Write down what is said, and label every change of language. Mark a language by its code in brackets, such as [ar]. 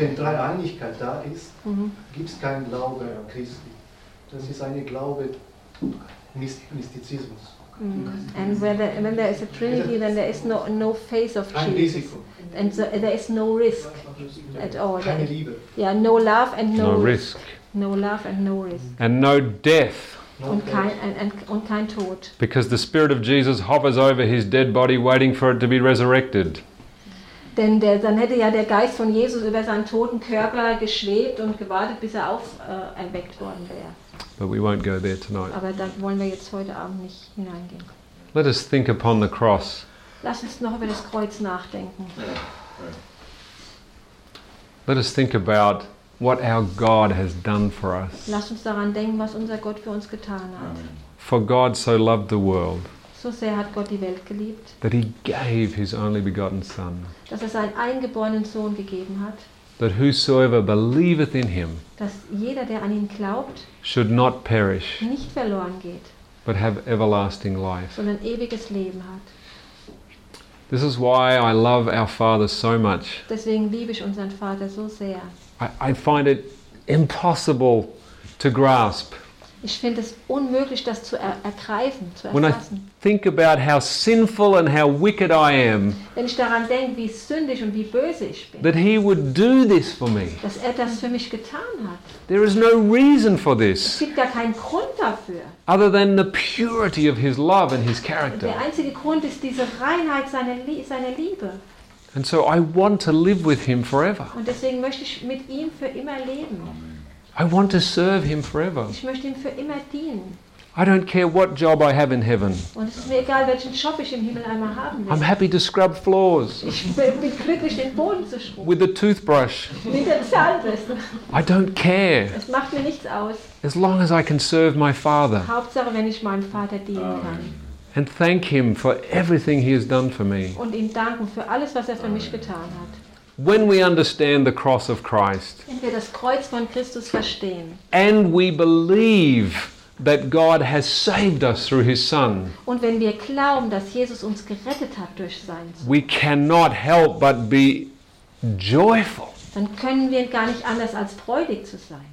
[de] Wenn Dreieinigkeit da ist, gibt es keinen Glaube an Christi. Das ist eine Glaube Mysticismus. [en] And when there is a Trinity, then there is no faith of [de] Kein [en] Jesus, [de] Risiko. [en] And so there is no risk at all. [de] Keine Liebe. [en] Yeah, no love and no, no risk. No love and no risk. And no death. [de] Und kein Tod. [en] Because the Spirit of Jesus hovers over his dead body, waiting for it to be resurrected. [de] Denn dann hätte ja der Geist von Jesus über seinen toten Körper geschwebt und gewartet, bis er auferweckt worden wäre. [en] But we won't go there tonight. [de] Aber da wollen wir jetzt heute Abend nicht hineingehen. [en] Let us think upon the cross. [de] Lass uns noch über das Kreuz nachdenken. [en] Let us think about what our God has done for us. [de] Lass uns daran denken, was unser Gott für uns getan hat. [en] For God so loved the world. [de] So sehr hat Gott die Welt geliebt. [en] That he gave his only begotten son. [de] Dass er seinen eingeborenen Sohn gegeben hat. [en] That whosoever believeth in him, [de] dass jeder, der an ihn glaubt, [en] should not perish, [de] nicht verloren geht, [en] but have everlasting life, [de] sondern ewiges Leben hat. [en] This is why I love our Father so much. [de] Deswegen liebe ich unseren Vater so sehr. [en] I find it impossible to grasp. [de] Ich finde es unmöglich, das zu ergreifen, zu erfassen. [en] When I think about how sinful and how wicked I am, [de] wenn ich daran denke, wie sündig und wie böse ich bin, [en] that he would do this for me, [de] dass er das für mich getan hat. [en] There is no reason for this. [de] Es gibt gar keinen Grund dafür. [en] Other than the purity of his love and his character. [de] Der einzige Grund ist diese Reinheit seiner Liebe. [en] And so I want to live with him forever. [de] Und deswegen möchte ich mit ihm für immer leben. [en] I want to serve him forever. [de] Ich möchte ihm für immer dienen. [en] I don't care what job I have in heaven. [de] Und es ist mir egal, welchen Job ich im Himmel einmal haben will. [en] I'm happy to scrub floors. [de] Ich bin glücklich, den Boden zu schrubben. [en] With a toothbrush. [de] Mit der Zahnbürste. [en] I don't care. [de] Es macht mir nichts aus. [en] As long as I can serve my Father. [de] Hauptsache, wenn ich meinem Vater dienen kann. [en] And thank him for everything he has done for me. [de] Und ihm danken für alles, was er für mich getan hat. [en] When we understand the cross of Christ, [de] wenn wir das Kreuz von Christus verstehen, [en] and we believe that God has saved us through his son, [de] und wenn wir glauben, dass Jesus uns gerettet hat durch seinen Sohn, [en] we cannot help but be joyful. [de] Dann können wir gar nicht anders als freudig zu sein.